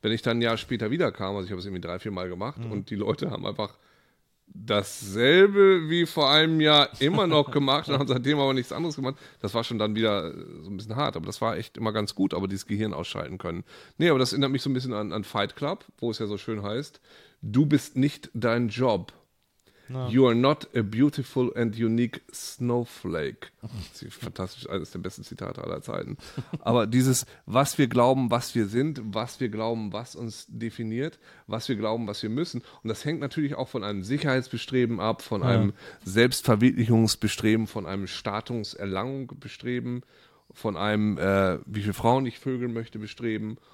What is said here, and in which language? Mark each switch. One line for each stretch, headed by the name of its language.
German: Wenn ich dann ein Jahr später wieder kam, also ich habe es irgendwie 3-4 Mal gemacht und die Leute haben einfach dasselbe wie vor einem Jahr immer noch gemacht und haben seitdem aber nichts anderes gemacht. Das war schon dann wieder so ein bisschen hart, aber das war echt immer ganz gut, aber dieses Gehirn ausschalten können. Nee, aber das erinnert mich so ein bisschen an Fight Club, wo es ja so schön heißt, du bist nicht dein Job. Ja.
English: You are not a beautiful and unique snowflake.
German: Das ist fantastisch, eines der besten Zitate aller Zeiten. Aber dieses, was wir glauben, was wir sind, was wir glauben, was uns definiert, was wir glauben, was wir müssen. Und das hängt natürlich auch von einem Sicherheitsbestreben ab, von einem Selbstverwirklichungsbestreben, von einem Statuserlangungsbestreben, von einem, wie viele Frauen ich vögeln möchte, Bestreben.